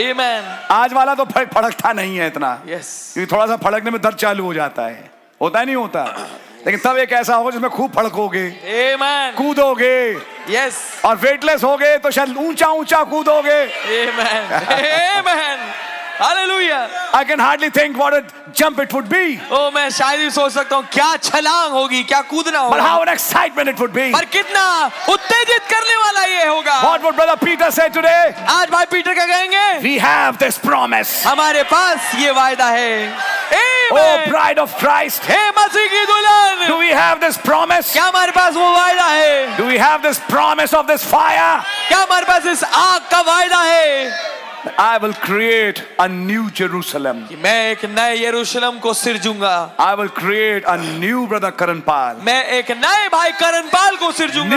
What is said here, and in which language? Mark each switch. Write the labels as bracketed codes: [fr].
[en] Amen. [hi] आज वाला तो फड़कता नहीं है इतना. [en] Yes. [hi] क्योंकि थोड़ा सा फड़कने में दर्द चालू हो जाता है, होता है नहीं होता. लेकिन तब एक ऐसा होगा जिसमें खूब फड़कोगे. [en] Amen. [hi] कूदोगे. [en] Yes. [hi] और वेटलेस हो गए तो शायद ऊंचा ऊंचा कूदोगे. [en] Amen. Amen. Hallelujah. I can hardly think what a jump it would be. [hi] Oh, मैं शायद ही सोच सकता हूँ क्या छलांग होगी, क्या कूदना होगा. [en] But how an excitement it would be. [hi] पर कितना उत्तेजित करने वाला ये होगा. [en] What would brother Peter say today? [hi] आज भाई पीटर क्या कहेंगे? [en] We have this promise. [hi] हमारे पास ये वायदा है. [en] Amen. Oh, bride of Christ. [hi] हे मसीह की दुल्हन. [en] Do we have this promise? [hi] क्या हमारे पास वो वायदा है? [en] Do we have this promise of this fire? [hi] क्या हमारे पास इस आग का वायदा है? [en] I will create a new Jerusalem. [hi] मैं एक नए यरूशलेम को सिरजूंगा. [en] I will create a new brother Karanpal. [hi] मैं एक नए भाई करणपाल को सिरजूंगा.